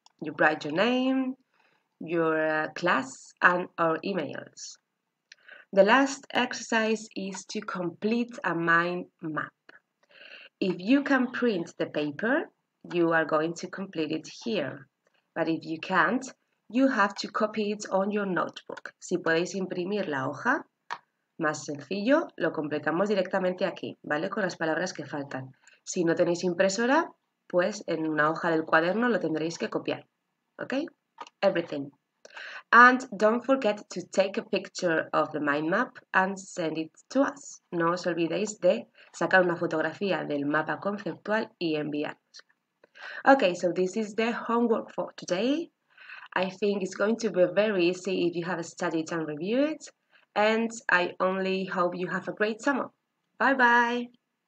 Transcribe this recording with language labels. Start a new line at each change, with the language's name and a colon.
English: You write your name, your class, and our emails. The last exercise is to complete a mind map. If you can print the paper, you are going to complete it here. But if you can't, you have to copy it on your notebook.
Spanish: Si podéis imprimir la hoja, más sencillo, lo completamos directamente aquí, ¿vale? Con las palabras que faltan. Si no tenéis impresora, pues en una hoja del cuaderno lo tendréis que copiar.
English: Okay, everything. And don't forget to take a picture of the mind map and send it to us.
Spanish: No os olvidéis de sacar una fotografía del mapa conceptual y enviarnos.
English: Okay, so this is the homework for today. I think it's going to be very easy if you have studied and reviewed. And I only hope you have a great summer. Bye bye.